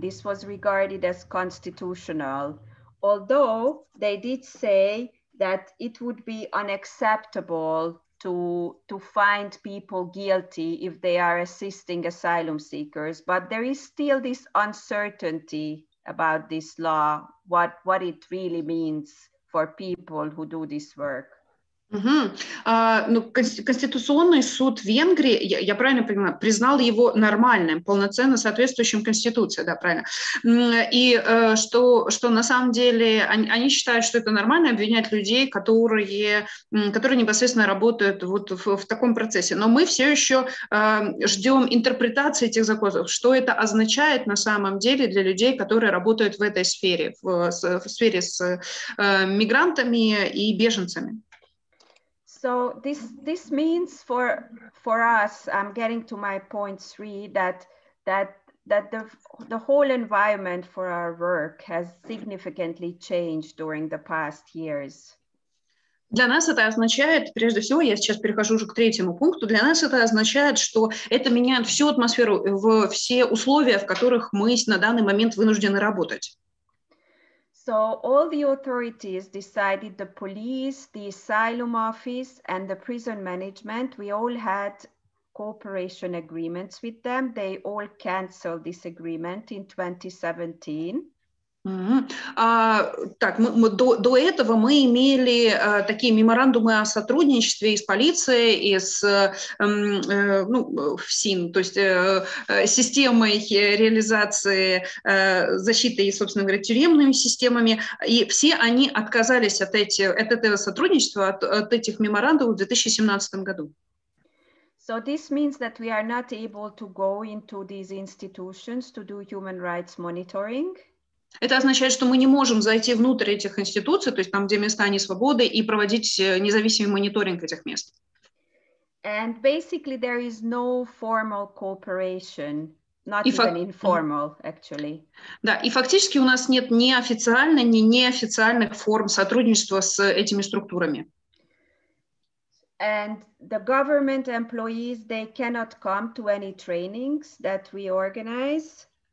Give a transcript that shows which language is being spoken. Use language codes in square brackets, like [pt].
[en] This was regarded as constitutional, although they did say that it would be unacceptable to find people guilty if they are assisting asylum seekers. But there is still this uncertainty about this law, what it really means. For people who do this work. [ru] Ну, Конституционный суд Венгрии, я правильно понимаю, признал его нормальным, полноценно соответствующим Конституции, да, правильно. И что на самом деле они считают, что это нормально обвинять людей, которые непосредственно работают вот в таком процессе. Но мы все еще ждем интерпретации этих законов, что это означает на самом деле для людей, которые работают в этой сфере, в сфере с мигрантами и беженцами. [en] So this means for us, I'm getting to my point three, that the whole environment for our work has significantly changed during the past years. [ru] Для нас это означает, прежде всего, я сейчас перехожу уже к третьему пункту, для нас это означает, что это меняет всю атмосферу, все условия, в которых мы на данный момент вынуждены работать. [en] So all the authorities decided, the police, the asylum office, and the prison management, we all had cooperation agreements with them. They all canceled this agreement in 2017. [ru] Так, мы до этого мы имели такие меморандумы о сотрудничестве с полицией и с ФСИН, то есть системой реализации защиты и, собственно говоря, тюремными системами, и все они отказались от этого сотрудничества, от этих меморандумов в 2017 году. [en] So this means that we are not able to go into these institutions to do human rights monitoring. [ru] Это означает, что мы не можем зайти внутрь этих институций, то есть там, где места не свободы, и проводить независимый мониторинг этих мест. [en] And basically there is no formal cooperation, not even informal, actually. [ru] Да, и фактически у нас нет ни официально, ни неофициальных форм сотрудничества с этими структурами. [en] And the government employees, they cannot come to any trainings that we organize.